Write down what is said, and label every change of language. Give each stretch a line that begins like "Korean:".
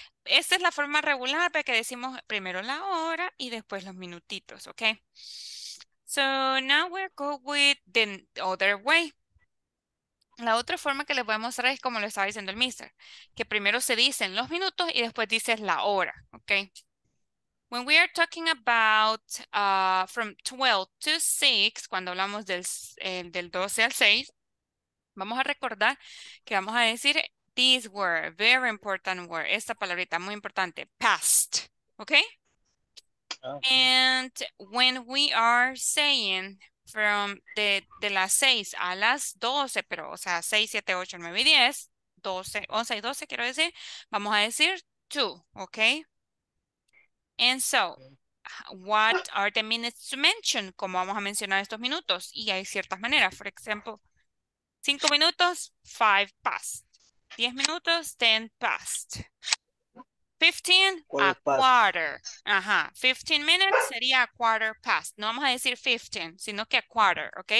Spanish: Esta es la forma regular porque decimos primero la hora y después los minutitos, okay?
English: So now we'll go with the other way.
Spanish: La otra forma que les voy a mostrar es como lo estaba diciendo el mister, que primero se dicen los minutos y después dices la hora, ¿ok?
English: When we are talking about from 12 to 6,
Spanish: cuando hablamos del 12 al 6, vamos a recordar que vamos a decir
English: this word, very important word,
Spanish: esta palabrita muy importante, past, ¿ok? Oh.
English: And when we are saying...
Spanish: From de las 6 a las 12, pero o sea, 6, 7, 8, 9 y 10, 12, 11 y 12, quiero decir, vamos a decir 2, ¿ok?
English: And so, what are the minutes to mention?
Spanish: ¿Cómo vamos a mencionar estos minutos? Y hay ciertas maneras, por ejemplo, 5 minutos, 5 past. 10 minutos, 10 past. 15,
English: a quarter.
Spanish: Ajá.
English: 15 minutes
Spanish: sería
English: a quarter past.
Spanish: No vamos a decir 15, sino que a quarter, ¿ok?